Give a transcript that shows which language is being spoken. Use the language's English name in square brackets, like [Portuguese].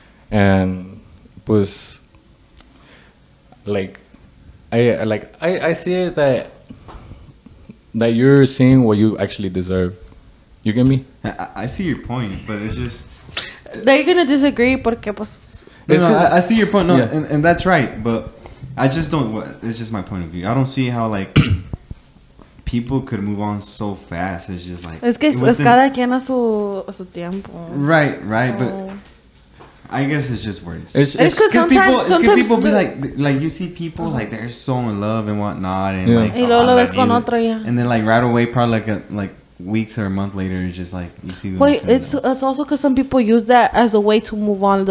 [English] And was like I see that you're seeing what you actually deserve. You get me? I see your point, but it's just that you're gonna disagree [Spanish] porque pues [English] no, I see your point. No, yeah. and that's right, but I just don't. It's just my point of view. I don't see how like people could move on so fast. It's just like [Spanish] es que es cada quien a su tiempo. [English] Right, so. But I guess it's just words. It's because sometimes people be like you see people like they're so in love and whatnot, and like [Spanish] y luego lo ves con otro, yeah. [English] And then like right away, probably like weeks or a month later, it's just like you see. Wait, it's also because some people use that as a way to move on.